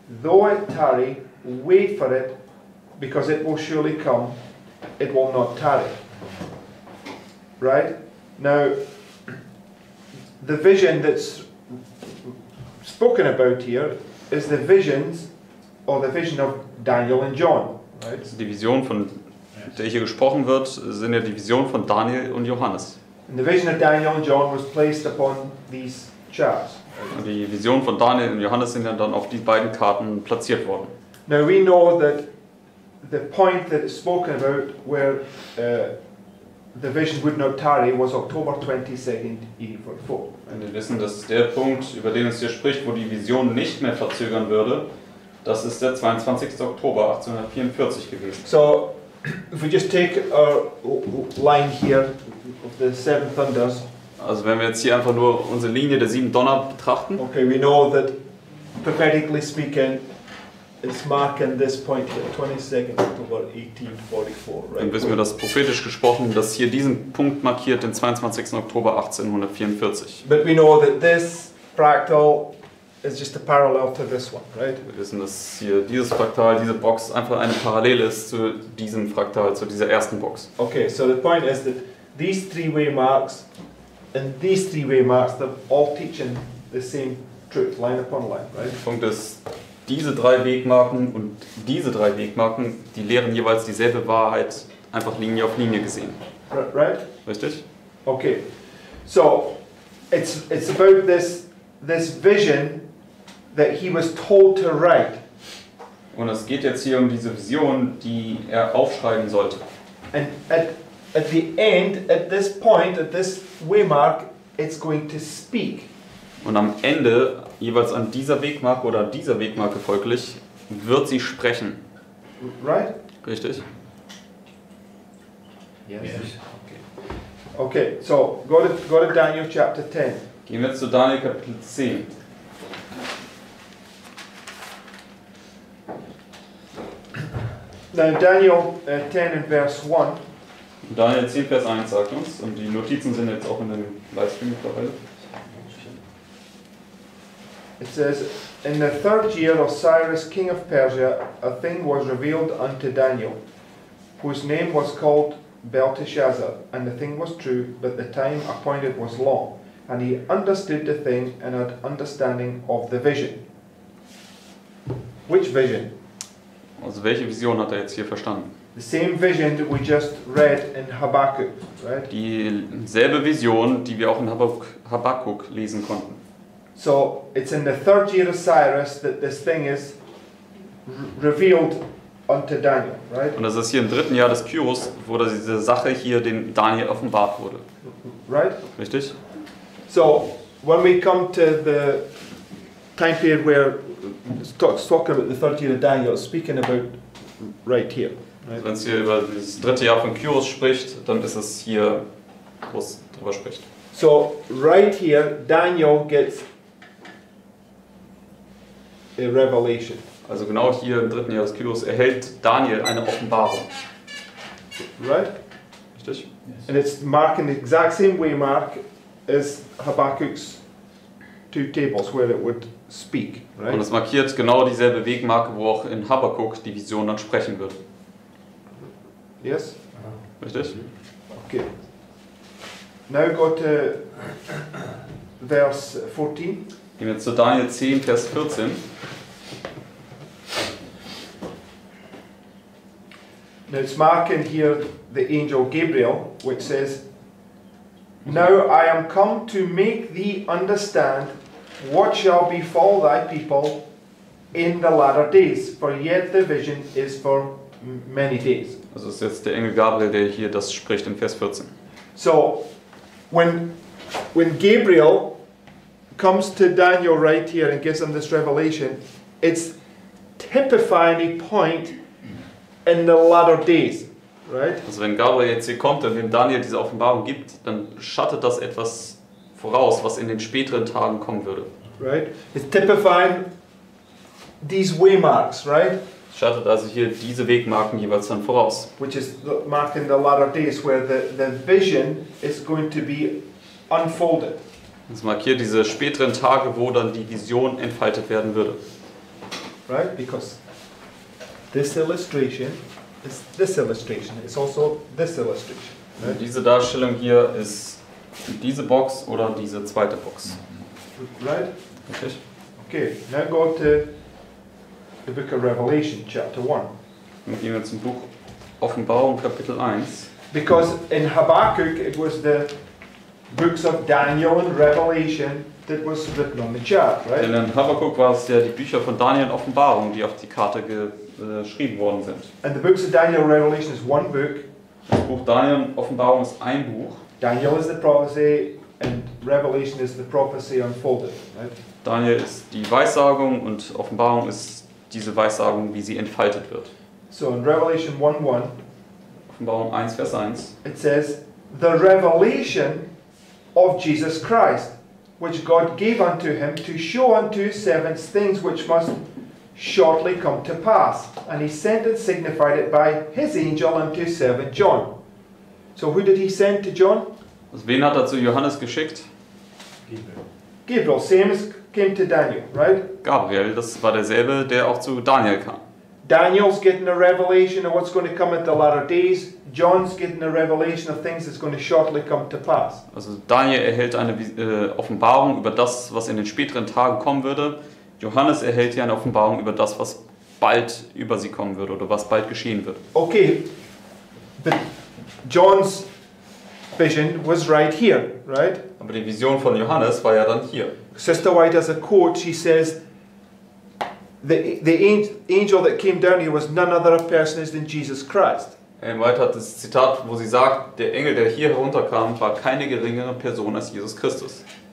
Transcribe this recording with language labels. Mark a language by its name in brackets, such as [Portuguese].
[English] Though it tarry, wait for it, because it will surely come, it will not tarry. Right? Now, the vision that's spoken about here is the visions, or the vision of Daniel and John. Right? [German] Die Vision, von der hier gesprochen wird, sind ja die Vision von Daniel und Johannes. [English] And the vision of Daniel and John was placed upon these charts. [German] Und die Vision von Daniel und Johannes sind ja dann auf die beiden Karten platziert worden. [English] Now we know that the point that is spoken about where the vision would not tarry was October 22nd, 1844. [German] Und wir wissen, dass der Punkt, über den es hier spricht, wo die Vision nicht mehr verzögern würde, das ist der 22. Oktober 1844 gewesen. [English] So, if we just take our line here of the seven thunders. [German] Also wenn wir jetzt hier einfach nur unsere Linie der sieben Donner betrachten. [English] Okay, we know that, prophetically speaking, it's marking this point, the 22nd October 1844, right? [German] Dann wissen wir, dass prophetisch gesprochen, dass hier diesen Punkt markiert, den 22. Oktober 1844. [English] But we know that this fractal is just a parallel to this one, right? [German] Wir wissen, dass hier dieses Fraktal, diese Box einfach eine Parallele ist zu diesem Fraktal, zu dieser ersten Box. [English] Okay, so the point is that these three-way marks and these three-way marks, they're all teaching the same truth, line upon line, right? [German] Der Punkt ist, diese drei Wegmarken und diese drei Wegmarken, die lehren jeweils dieselbe Wahrheit, einfach Linie auf Linie gesehen. [English] Right? [German] Richtig. [English] Okay. So, it's about this vision that he was told to write. [German] Und es geht jetzt hier um diese Vision, die er aufschreiben sollte. [English] And at the end, at this point, at this waymark, it's going to speak. [German] Und am Ende, jeweils an dieser Wegmarke oder dieser Wegmarke folglich, wird sie sprechen. [English] Right? [German] Richtig. [English] Yes. Okay. Okay, so go to Daniel chapter 10. [German] Gehen wir zu Daniel Kapitel 10. [English] Now Daniel 10 and verse 1. [German] Daniel 10 Vers 1 sagt uns, und die Notizen sind jetzt auch in dem Livestream mittlerweile. [English] It says, in the third year of Cyrus, king of Persia, a thing was revealed unto Daniel, whose name was called Belteshazzar, and the thing was true, but the time appointed was long, and he understood the thing and had understanding of the vision. Which vision? [German] Also welche Vision hat jetzt hier verstanden? [English] The same vision that we just read in Habakkuk, right? [German] Dieselbe Vision, die wir auch in Habakkuk lesen konnten. [English] So it's in the third year of Cyrus that this thing is revealed unto Daniel, right? [German] Und das ist hier im dritten Jahr des Kyros, wo diese Sache hier dem Daniel offenbart wurde. [English] Right? [German] Richtig? [English] So when we come to the time period where talk about the third year of Daniel, speaking about right here. Right? [German] Wenn es hier über das dritte Jahr von Kyros spricht, dann ist es hier, wo es drüber spricht. [English] So right here, Daniel gets a revelation. [German] Also genau hier im dritten Jahr des Kyros erhält Daniel eine Offenbarung. [English] Right? [German] Richtig? [English] And it's marking the exact same way mark as Habakkuk's two tables where it would speak, right? [German] Und es markiert genau dieselbe Wegmarke, wo auch in Habakkuk die Vision dann sprechen wird. [English] Yes? [German] Richtig? [English] Okay. Now go to verse 14. [German] Gehen wir zu Daniel 10, Vers 14. [English] Now it's marking here the angel Gabriel, which says, Now I am come to make thee understand what shall befall thy people in the latter days, for yet the vision is for many days. [German] Also ist jetzt der Engel Gabriel, der hier das spricht in Vers 14. [English] So, when Gabriel comes to Daniel right here and gives him this revelation, it's typifying a point in the latter days, right? [German] Also wenn Gabriel jetzt hier kommt und dem Daniel diese Offenbarung gibt, dann schattet das etwas voraus, was in den späteren Tagen kommen würde. [English] Right? It's typifying these waymarks, right? [German] Schattet also hier diese Wegmarken jeweils dann voraus. [English] Which is marking the latter days, where the vision is going to be unfolded. [German] Das markiert diese späteren Tage, wo dann die Vision entfaltet werden würde. [English] Right? Because this illustration is this illustration. It's also this illustration. Right? [German] Diese Darstellung hier ist diese Box oder diese zweite Box. [English] Right? [German] Richtig. [English] Okay, now go to the book of Revelation, chapter 1. [German] Dann gehen wir zum Buch Offenbarung, Kapitel 1. [English] Because in Habakkuk it was the books of Daniel and Revelation that was written on the chart, right? [German] Denn in Habakkuk war es ja die Bücher von Daniel und Offenbarung, die auf die Karte geschrieben worden sind. [English] And the books of Daniel and Revelation is one book. [German] Das Buch Daniel und Offenbarung ist ein Buch. [English] Daniel is the prophecy and Revelation is the prophecy unfolded, right? [German] Daniel ist die Weissagung und Offenbarung ist diese Weissagung, wie sie entfaltet wird. [English] So in Revelation 1:1, [German] Offenbarung 1 Vers 1, [English] it says the revelation of Jesus Christ, which God gave unto him to show unto his servants things which must shortly come to pass. And he sent and signified it by his angel unto his servant John. So who did he send to John? [German] Also wen hat er zu Johannes geschickt? [English] Gabriel. Gabriel, same as came to Daniel, right? [German] Gabriel, das war derselbe, der auch zu Daniel kam. [English] Daniel's getting a revelation of what's going to come at the latter days. John's getting a revelation of things that's going to shortly come to pass. [German] Also Daniel erhält eine Offenbarung über das, was in den späteren Tagen kommen würde. Johannes erhält hier eine Offenbarung über das, was bald über sie kommen würde oder was bald geschehen wird. [English] Okay, but John's vision was right here, right? [German] Aber die Vision von Johannes war ja dann hier. [English] Sister White has a quote, she says, the angel that came down here was none other person than Jesus Christ. [German] Ellen White hat das Zitat, wo sie sagt, der Engel, der hier herunterkam, war keine geringere Person als Jesus Christus.